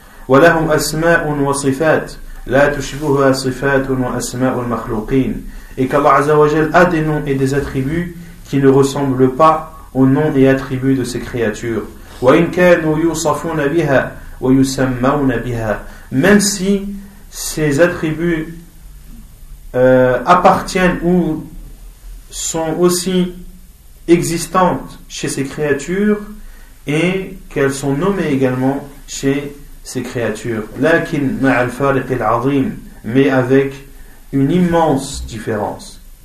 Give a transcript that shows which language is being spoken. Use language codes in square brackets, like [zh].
[ar] ولهم أسماء وصفات لا تشبهها صفات وأسماء المخلوقين. [fr] Et qu'Allah Azza wa Jal a des noms et des attributs qui ne ressemblent pas aux noms et attributs de ses créatures. [ar] وإن كانوا يوصفون بها ويسمون بها. [fr] Même si ces attributs appartiennent ou sont aussi existantes chez ces créatures et qu'elles sont nommées également chez ces créatures, [ar] لكن مع الفارق العظيم, [fr] mais avec une immense différence.